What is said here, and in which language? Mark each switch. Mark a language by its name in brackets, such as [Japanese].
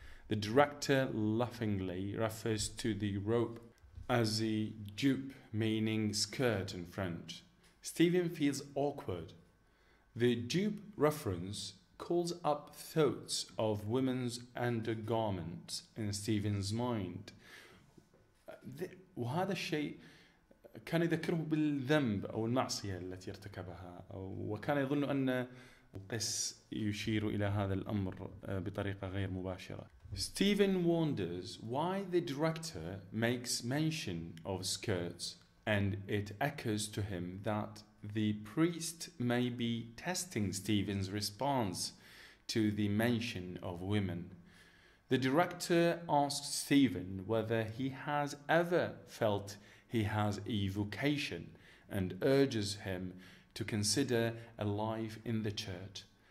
[English] The director laughingly refers to the robe as a jupe, meaning skirt in French. Stephen feels awkward. The jupe reference calls up thoughts of women's undergarments in Stephen's mind. [Arabic] وهذا الشيء كان يذكره بالذنب أو المعصية التي ارتكبها وكان يظن أن القس يشير إلى هذا الأمر بطريقة غير مباشرة. [English] Stephen wonders why the director makes mention of skirts, and it echoes to him that the priest may be testing Stephen's response to the mention of women. The director asks Stephen whether he has ever felt he has a vocation and urges him to consider a life in the church.